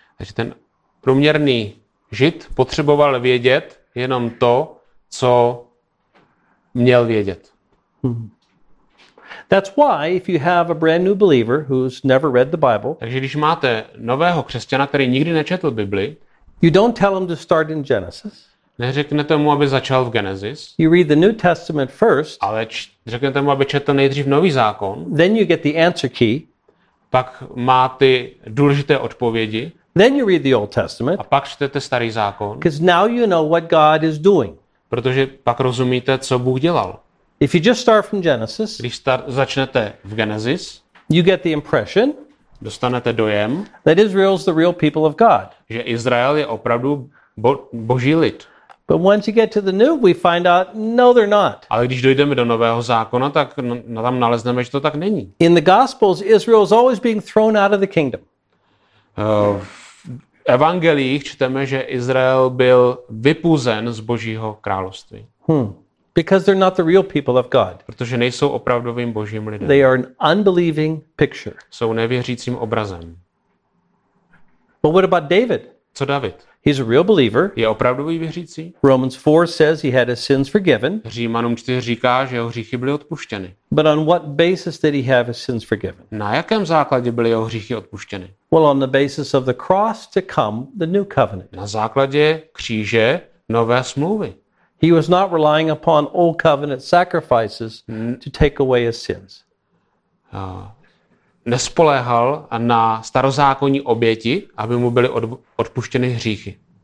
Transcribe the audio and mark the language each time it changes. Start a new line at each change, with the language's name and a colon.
Czech: Takže ten průměrný Žid potřeboval vědět jenom to, co měl vědět.
English: That's why if you have a brand new believer who's never read the Bible,
Czech: takže když máte nového křesťana, který nikdy nečetl Bibli,
English: you don't tell him to start in Genesis.
Czech: Neřeknete mu, aby začal v Genesis.
English: You read the New Testament first.
Czech: Ale řeknete mu, aby četl nejdřív Nový zákon.
English: Then you get the answer key.
Czech: Pak má ty důležité odpovědi.
English: Then you read the Old Testament.
Czech: A pak čtete Starý zákon.
English: Because now you know what God is doing.
Czech: Protože pak rozumíte, co Bůh dělal.
English: If you just start from Genesis,
Czech: když začnete v Genesis,
English: you get the impression,
Czech: dostanete dojem,
English: that Israel is the real people of God.
Czech: Že Izrael je opravdu boží lid.
English: But once you get to the new, we find out no, they're not.
Czech: Ale když dojdeme do nového zákona, tak tam nalezneme, že to tak není.
English: In the Gospels, Israel is always being thrown out of the kingdom.
Czech: V evangeliích čteme, že Izrael byl vypuzen z Božího království.
English: Because they're not the real people of God.
Czech: Protože nejsou opravdovým Božím lidem.
English: They are an unbelieving picture.
Czech: Jsou nevěřícím obrazem.
English: But what about David?
Czech: Co David?
English: He's a real believer.
Czech: Je opravdový věřící.
English: Romans 4 says he had his sins forgiven.
Czech: Římanům 4 říká, že jeho hříchy byly odpuštěny.
English: But on what basis did he have his sins forgiven?
Czech: Na jakém základě byly jeho hříchy odpuštěny?
English: Well, on the basis of the cross to come, the new covenant.
Czech: Na základě kříže nové smlouvy.
English: He was not relying upon old covenant sacrifices to take away his sins.
Czech: Nespoléhal na starozákonní oběti, aby mu byly odpuštěny hříchy.